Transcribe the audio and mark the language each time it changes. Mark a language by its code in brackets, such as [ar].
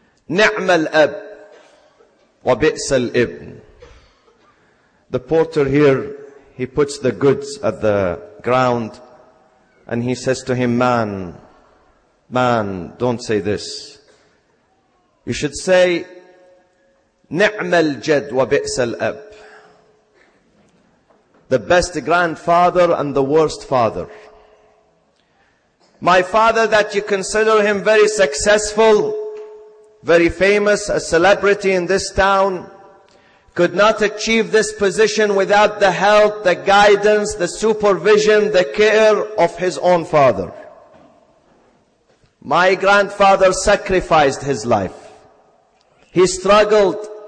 [ar] نعم الأب وبئس الابن. [en] The porter here, he puts the goods at the ground and he says to him, man, don't say this. You should say, [ar] نعم الجد وبئس الأب. [en] The best grandfather and the worst father. My father, that you consider him very successful, very famous, a celebrity in this town, could not achieve this position without the help, the guidance, the supervision, the care of his own father. My grandfather sacrificed his life He struggled.